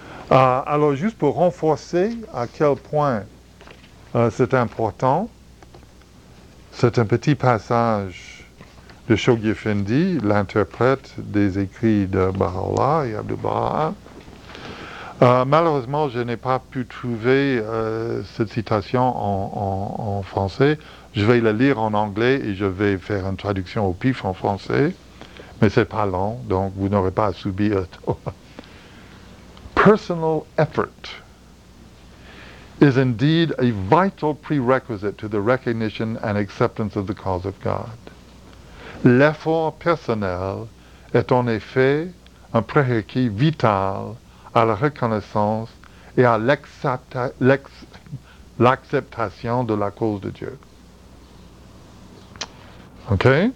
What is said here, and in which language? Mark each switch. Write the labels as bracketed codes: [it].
[fr] Alors, juste pour renforcer à quel point c'est important, c'est un petit passage de Shoghi Effendi, l'interprète des écrits de Baha'u'llah et Abdu'l-Baha. Malheureusement, je n'ai pas pu trouver cette citation en français. Je vais la lire en anglais et je vais faire une traduction au pif en français. Mais ce n'est pas long, donc vous n'aurez pas à subir. [en] Personal effort is indeed a vital prerequisite to the recognition and acceptance of the cause of God. [fr] L'effort personnel est en effet un prérequis vital à la reconnaissance et à l'acceptation de la cause de Dieu. OK?